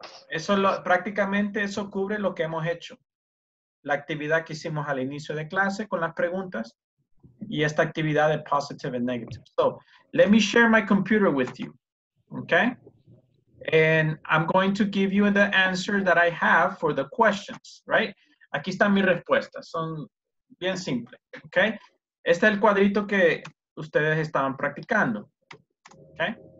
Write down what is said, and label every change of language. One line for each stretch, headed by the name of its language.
Spanish: Eso lo, prácticamente eso cubre lo que hemos hecho. La actividad que hicimos al inicio de clase con las preguntas. Y esta actividad de positive and negative.
English: So, let me share my computer with you, okay? And I'm going to give you the answer that I have for the questions, right?
Spanish: Aquí están mis respuestas, son bien simples, okay? Este es el cuadrito que ustedes estaban practicando, okay?